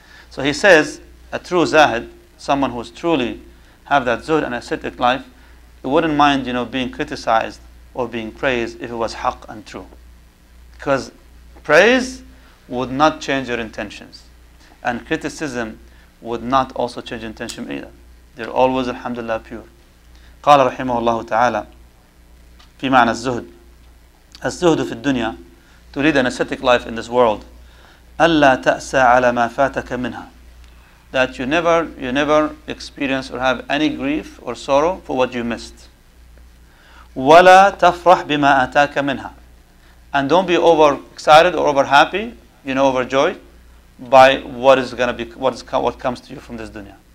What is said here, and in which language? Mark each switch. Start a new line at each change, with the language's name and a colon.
English: So he says, a true Zahid, someone who's truly have that zuhd and ascetic life, he wouldn't mind, you know, being criticized or being praised if it was haqq and true. Because praise would not change your intentions. And criticism would not also change intention either. They're always, alhamdulillah, pure.
Arabic: قال رحمه الله تعالى في معنى الزهد. الزهد في الدنيا,
English: to lead an ascetic life in this world.
Arabic: ألا تأسى على ما فاتك منها,
English: that you never experience or have any grief or sorrow for what you missed.
Arabic: وَلَا تَفْرَحْ بِمَا أَتَاكَ مِنْهَا,
English: and don't be over excited or over happy, you know, overjoyed by what comes to you from this dunya.